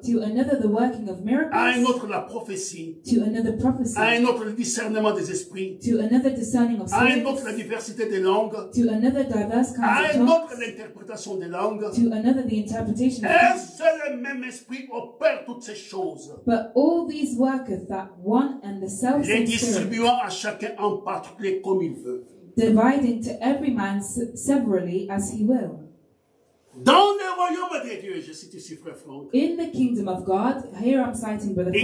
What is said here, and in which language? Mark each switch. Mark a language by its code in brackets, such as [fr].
[en] To another the working of miracles. [fr] À un autre la prophétie. [en] To another prophecy. [fr] À un autre le discernement des esprits. [en] To another discerning of spirits. [fr] À un autre la diversité des langues. [en] To another diverse kinds of tongues. [fr] À un autre l'interprétation des langues. [en] To another the interpretation. [fr] Est-ce le même esprit opère toutes ces choses? [en] But all these worketh that one and the self [fr] les distribuant à chacun en particulier comme il veut. [en] Dividing to every man severally as he will. [fr] Dans le royaume de Dieu, je cite ici Frère Franck. [en] In the kingdom of God, here I'm citing Brother Frank.